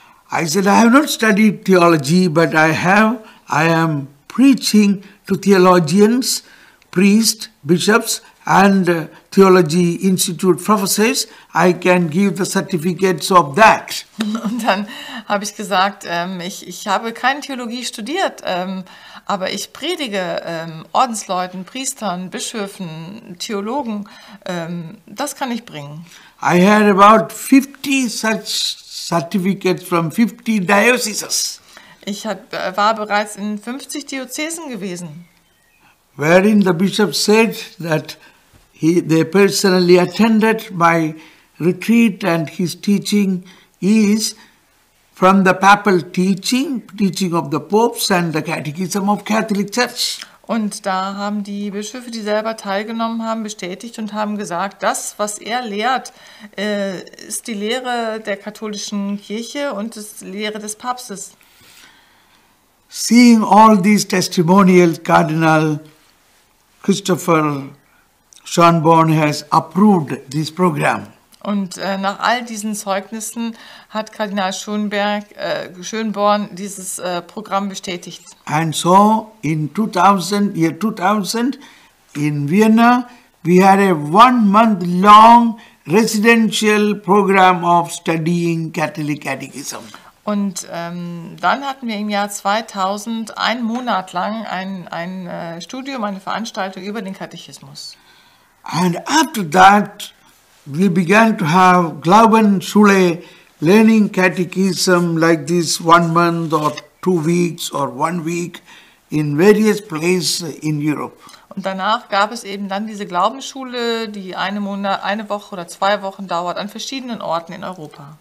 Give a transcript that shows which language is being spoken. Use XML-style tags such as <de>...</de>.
<en>I said, I have not studied theology, but I am preaching to theologians. Priests, bishops and theology institute professors, I can give the certificates of that.</en> <de>Und dann habe ich gesagt, ich habe keine Theologie studiert, aber ich predige Ordensleuten, Priestern, Bischöfen, Theologen, das kann ich bringen.</de> <en>I had about 50 such certificates from 50 dioceses.</en> <de>Ich war bereits in 50 Diözesen gewesen.</de> <en>Wherein the bishop said that they personally attended my retreat and his teaching is from the papal teaching of the popes and the catechism of Catholic Church.</en> <de>Und da haben die Bischöfe, die selber teilgenommen haben, bestätigt und haben gesagt, das, was er lehrt, ist die Lehre der katholischen Kirche und die Lehre des Papstes.</de> <en>Seeing all these testimonials, Cardinal Christopher Schönborn has approved this program.</en> <de>Und nach all diesen Zeugnissen hat Kardinal Schönborn dieses Programm bestätigt.</de> <en>And so in 2000, year 2000, in Vienna, we had a 1 month long residential program of studying Catholic Catechism.</en> <de>Und dann hatten wir im Jahr 2000 einen Monat lang ein Studium, eine Veranstaltung über den Katechismus.</de> <en>And after that we began to have Glaubensschule learning catechism like this 1 month or 2 weeks or 1 week in various places in Europe.</en> <de>Und danach gab es eben dann diese Glaubensschule, die eine Woche oder 2 Wochen dauert an verschiedenen Orten in Europa.</de>